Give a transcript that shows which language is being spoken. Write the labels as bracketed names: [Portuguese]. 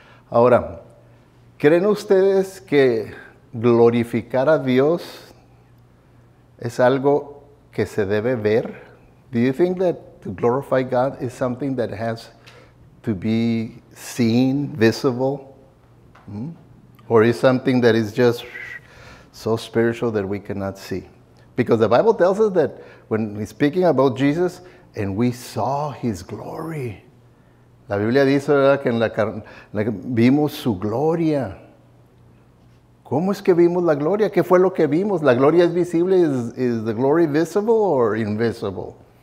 [Spanish] Ahora, ¿creen ustedes que glorificar a Dios es algo que se debe ver? [English] Do you think that to glorify God is something that has to be seen, visible? Or is something that is just so spiritual that we cannot see? Because the Bible tells us that when we're speaking about Jesus, and we saw his glory. [Spanish] La Biblia dice, ¿verdad?, que en la carne vimos su gloria. ¿Cómo es que vimos la gloria? ¿Qué fue lo que vimos? ¿La gloria es visible? [English] ¿Is the glory visible or invisible?